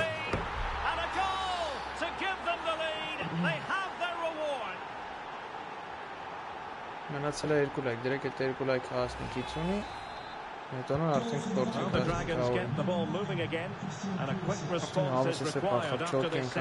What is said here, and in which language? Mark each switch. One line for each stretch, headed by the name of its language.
English: And a goal to give them the lead. They have their reward.
Armenian: Մնացել է 2 լայք, դրեք այդ 2 լայքը հասնի 50-ի։ Հետո արդեն կորցնենք։
English: The Dragons get the ball moving again and a quick response is required after the